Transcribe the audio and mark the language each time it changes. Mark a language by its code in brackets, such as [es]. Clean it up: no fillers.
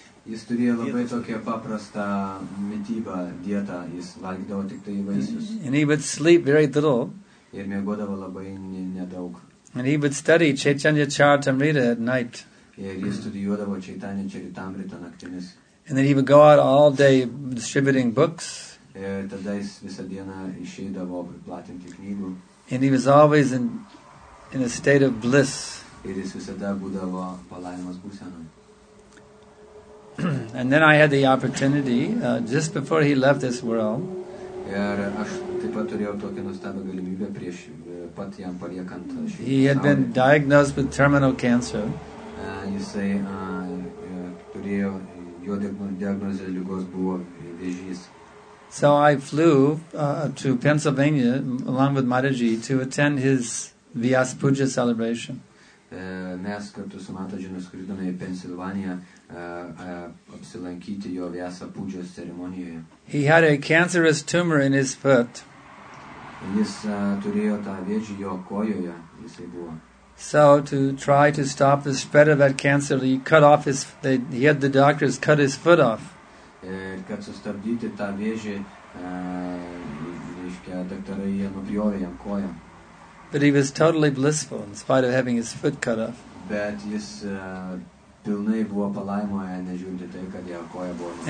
[lt] Jis turėjo labai tokią paprastą mitybą, dietą. Jis valgydavo tik tai vaisius. [en] And he would sleep very little. [lt] Ir miegodavo labai nedaug. [en] And he would study Chaitanya Charitamrita at night. [lt] Ir jis studijuodavo Chaitanya Charitamrita naktimis. [en] And then he would go out all day distributing books. [lt] Tada jis visą dieną išeidavo platinti knygų. [en] And he was always in a state of bliss. [lt] Ir jis visada būdavo palaimos būsenoje. [en] And then I had the opportunity, just before he left this world. [lt] Ir aš taip pat turėjau tokią nuostabią galimybę prieš pat jam paliekant šį pasaulį. [en] He had been diagnosed with terminal cancer. [lt] Jisai turėjo jo diagnozė ligos buvo vėžys. [en] So I flew to Pennsylvania along with Mataji to attend his Vyas Puja celebration. [lt] Mes kartu su Mataji nuskridome į Pennsylvania apsilankyti jo Vyasa Puja ceremonijoje. [en] He had a cancerous tumor in his foot. [lt] Jis turėjo tą vėžį jo kojoje, jisai buvo. [en] So to try to stop the spread of that cancer, he had the doctors cut his foot off. [lt] Kad sustabdyti tą vėžį, reiškia, daktarai jį nupjovė jam koją. [en] But he was totally blissful in spite of having his foot cut off. [lt] Bet jis pilnai buvo palaimoje, nežiūrint tai, kad jo koja buvo nupjauta.